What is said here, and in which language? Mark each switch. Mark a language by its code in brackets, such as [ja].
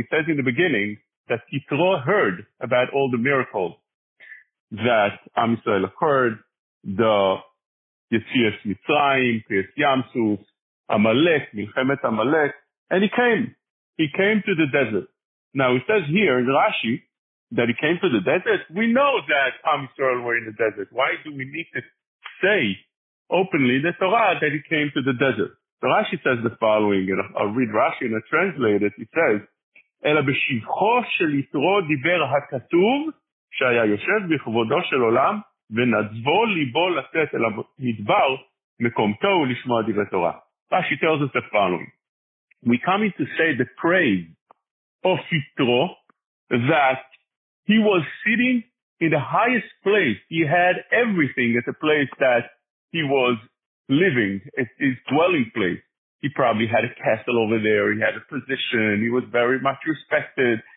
[en] It says in the beginning that Yitro heard about all the miracles that Am Yisrael occurred, the Yetzias Mitzrayim, Piyas Yamsuf, Amalek, Milchemet Amalek, and he came to the desert. Now it says here in Rashi that he came to the desert. We know that Am Yisrael were in the desert. Why do we need to say openly in the Torah that he came to the desert? So Rashi says the following, and I'll read Rashi and I'll translate it. He says, [he] Ela b'shivcho shel Yitro diber hakatuv, שהיה יושב בכבודו של עולם, ונדבו ליבו לצאת אל המדבר, מקומתו ולשמוע דברי תורה. [en] Rashi tells us the following. We come in to say the praise of Yitro, that he was sitting in the highest place. He had everything at the place that he was living, at his dwelling place. He probably had a castle over there. He had a position. He was very much respected.